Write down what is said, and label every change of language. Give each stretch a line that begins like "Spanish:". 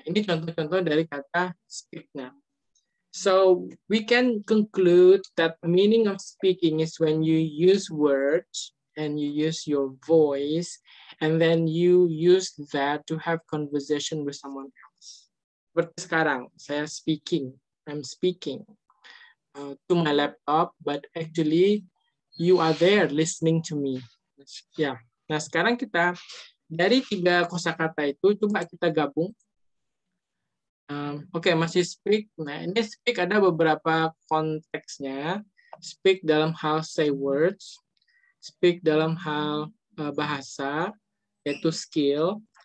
Indonesian: Ini contoh-contoh dari kata speak.
English: So we can conclude that the meaning of speaking is when you use words and you use your voice, and then you use that to have conversation with someone else.
Indonesian: Seperti sekarang, saya speaking.
English: I'm speaking to my laptop, but actually you are there listening to me. Yeah.
Indonesian: Nah, sekarang kita dari tiga kosakata itu coba kita gabung. Okay, masih speak. Nah, ini speak ada beberapa konteksnya. Speak dalam hal say words. Speak dalam hal bahasa, yaitu skill.